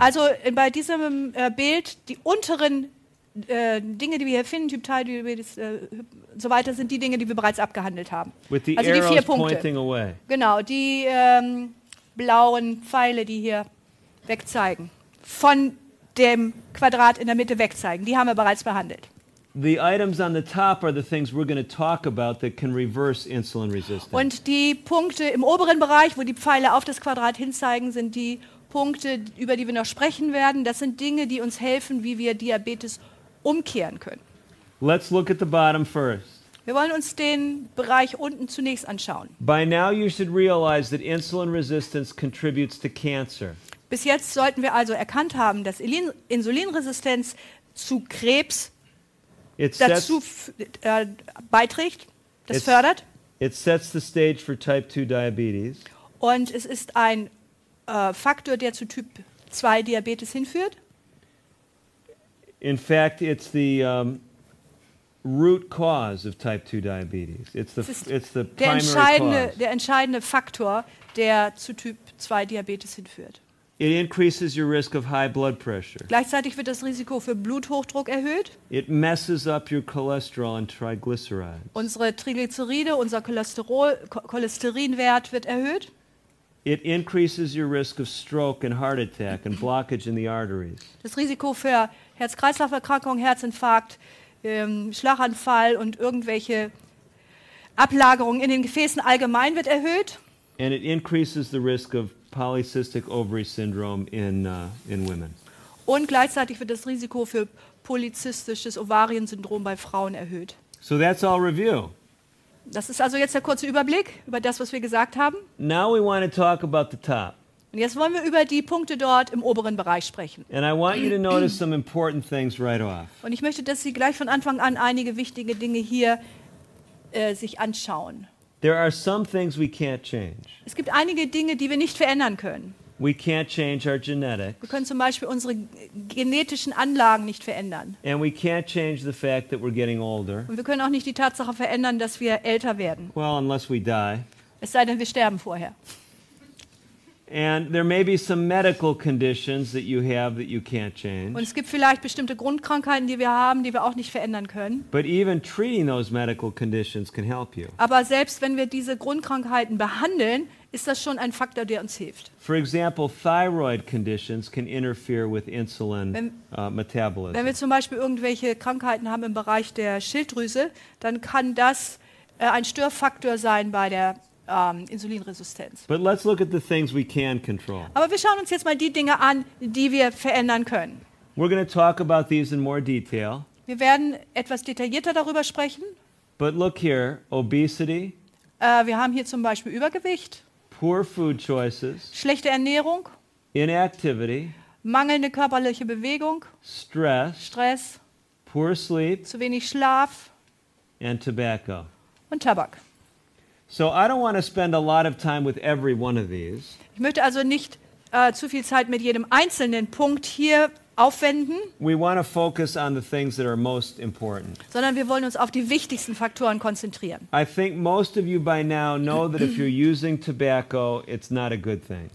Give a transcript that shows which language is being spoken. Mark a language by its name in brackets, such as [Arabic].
[German] Also bei diesem Bild, die unteren Dinge, die wir hier finden, Typ 2 Diabetes so weiter, sind die Dinge, die wir bereits abgehandelt haben. [English] With the [German] also [English] arrows [German] die vier Punkte. [English] Pointing away. [German] Genau, die blauen Pfeile, die hier wegzeigen, von dem Quadrat in der Mitte wegzeigen, die haben wir bereits behandelt. [English] The items on the top are the things we're going to talk about that can reverse insulin resistance. [German] Und die Punkte im oberen Bereich, wo die Pfeile auf das Quadrat hinzeigen, sind die Punkte, über die wir noch sprechen werden. Das sind Dinge, die uns helfen, wie wir Diabetes umkehren können. [English] Let's look at the bottom first. [German] Wir wollen uns den Bereich unten zunächst anschauen. [English] By now you should realize that insulin resistance contributes to cancer. [German] Bis jetzt sollten wir also erkannt haben, dass Insulinresistenz zu Krebs fördert. [English] It sets the stage for type 2 diabetes. [German] Und es ist ein Faktor, der zu Typ 2 Diabetes hinführt. [English] In fact, it's the root cause of type 2 diabetes. It's the primary cause. [German] Der entscheidende Faktor, der zu Typ 2 Diabetes hinführt. [English] It increases your risk of high blood pressure. [German] Gleichzeitig wird das Risiko für Bluthochdruck erhöht. [English] It messes up your cholesterol and triglycerides. [German] Unsere Triglyceride, unser Cholesterinwert wird erhöht. [English] It increases your risk of stroke and heart attack and blockage in the arteries. [German] Das Risiko für Herz-Kreislauf-Erkrankung, Herzinfarkt, Schlaganfall und irgendwelche Ablagerungen in den Gefäßen allgemein wird erhöht. [English] And it increases the risk of polycystic ovary syndrome in women. [German] Und gleichzeitig wird das Risiko für polyzystisches Ovariensyndrom bei Frauen erhöht. [English] So that's all review. [German] Das ist also jetzt der kurze Überblick über das, was wir gesagt haben. [English] Now we want to talk about the top. [German] Und jetzt wollen wir über die Punkte dort im oberen Bereich sprechen. [English] And I want you to notice some important things right off. [German] Und ich möchte, dass Sie gleich von Anfang an einige wichtige Dinge hier sich anschauen. [English] There are some things we can't change. [German] Es gibt einige Dinge, die wir nicht verändern können. [English] We can't change our genetics. [German] Wir können zum Beispiel unsere genetischen Anlagen nicht verändern. [English] And we can't change the fact that we're getting older. [German] Und wir können auch nicht die Tatsache verändern, dass wir älter werden. [English] Well, unless we die. [German] Es sei denn, wir sterben vorher. [English] And there may be some medical conditions that you have that you can't change. [German] Und es gibt vielleicht bestimmte Grundkrankheiten, die wir haben, die wir auch nicht verändern können. [English] But even treating those medical conditions can help you. [German] Aber selbst wenn wir diese Grundkrankheiten behandeln, ist das schon ein Faktor, der uns hilft. [English] For example, thyroid conditions can interfere with insulin metabolism. [German] Wenn wir zum Beispiel irgendwelche Krankheiten haben im Bereich der Schilddrüse, dann kann das ein Störfaktor sein bei der Insulinresistenz. [English] But let's look at the things we can control. [German] Aber wir schauen uns jetzt mal die Dinge an, die wir verändern können. [English] We're going to talk about these in more detail. [German] Wir werden etwas detaillierter darüber sprechen. [English] But look here, obesity. [German] Wir haben hier zum Beispiel Übergewicht. [English] Poor food choices. [German] Schlechte Ernährung. [English] Inactivity. [German] Mangelnde körperliche Bewegung. [English] Stress. Poor sleep. [German] Zu wenig Schlaf. [English] And tobacco. [German] Und Tabak. [English] So I don't want to spend a lot of time with every one of these. [German] Ich möchte also nicht zu viel Zeit mit jedem einzelnen Punkt hier aufwenden. [English] We want to focus on the things that are most important. [German] Sondern wir wollen uns auf die wichtigsten Faktoren konzentrieren. [English] I think most of you by now know that if you're using tobacco, it's not a good thing.